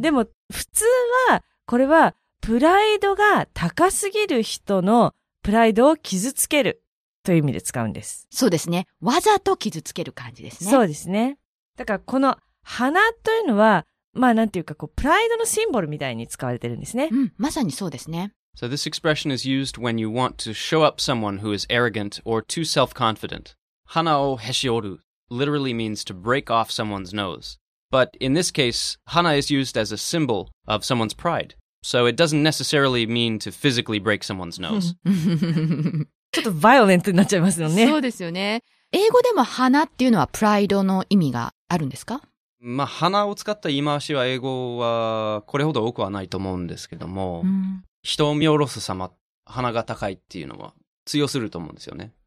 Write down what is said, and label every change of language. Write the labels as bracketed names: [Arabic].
[Japanese] でも普通はこれはプライドが高すぎる人のプライドを傷つける。という意味で使うんです。そうですね。わざと傷つける感じですね。そうですね。だからこの鼻というのは、まあなんていうかこうプライドのシンボルみたいに使われてるんですね。うん、まさにそうですね。 [English] So this expression is used when you want to show up someone who is arrogant or too self-confident. [Japanese] 鼻をへし折る [English] literally means to break off someone's nose. But in this case, 鼻 is used as a symbol of someone's pride. So it doesn't necessarily mean to physically break someone's nose. [Japanese] ちょっとバイオレントになっちゃいますよね。そうですよね。英語でも鼻っていうのはプライドの意味があるんですか？まあ鼻を使った言い回しは英語はこれほど多くはないと思うんですけども、うん、人を見下ろす様、鼻が高いっていうのは通用すると思うんですよね。